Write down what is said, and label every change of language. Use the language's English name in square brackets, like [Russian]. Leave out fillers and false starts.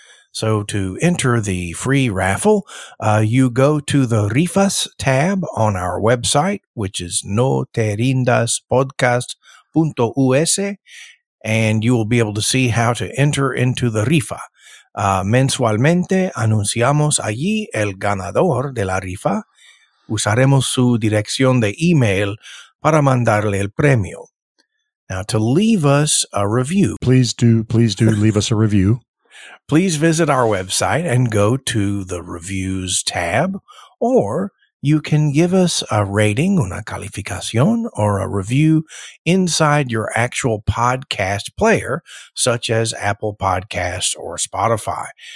[English] So to enter the free raffle, you go to the Rifas tab on our website, which is noterindaspodcast.us, and you will be able to see how to enter into the rifa. [Spanish] Mensualmente anunciamos allí el ganador de la rifa. Usaremos su dirección de email para mandarle el premio. [English] Now, to leave us a review. Please do leave us a review. Please visit our website and go to the reviews tab, or you can give us a rating, [Spanish] una calificación, [English] or a review inside your actual podcast player, such as Apple Podcasts or Spotify.